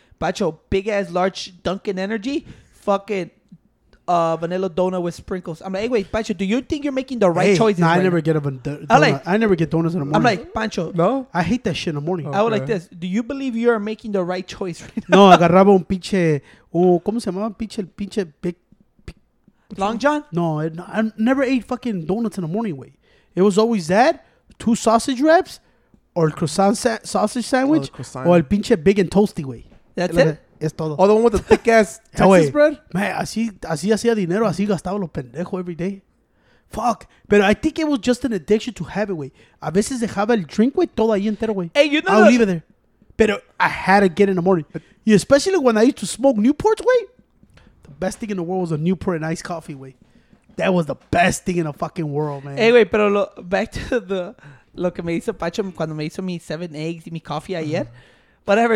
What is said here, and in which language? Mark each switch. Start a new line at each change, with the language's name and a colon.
English: Pacho, big ass large Dunkin' Energy, fucking vanilla donut with sprinkles. I'm like, hey, wait, Pacho, do you think you're making the right choices? Nah, right I never now? Get a donut. Like, I never get donuts in the morning. I'm like, Pancho. No? I hate that shit in the morning. Okay. I would like this. Do you believe you are making the right choice right
Spanish: now? No, agarraba un pinche, ¿cómo se llamaba?
English: Pinche big. Long John? No, I never ate fucking donuts in the morning, wait. It was always that, two sausage wraps, or croissant sausage sandwich, or
Spanish: el pinche
English: big and toasty way. That's it?
Spanish: Es todo.
English: Oh, the one with the thick ass Texas wey, bread?
Spanish: Man, así hacía dinero, así gastaba lo pendejo
English: every day.
Spanish: Fuck.
English: Pero I think it was just an addiction to have it, way.
Spanish: A veces dejaba el
English: drink, way,
Spanish: todo ahí entero,
English: way. Hey, you know I would leave it there. Pero I had to get in the morning. Yeah, especially when I used to smoke Newports, way. The best thing in the world was a Newport and iced coffee, way. That was the best thing in the fucking world, man.
Spanish: Anyway, pero
English: back to the
Spanish: lo que me hizo Pacho cuando me hizo mi 7 eggs y mi coffee ayer.
English: Whatever.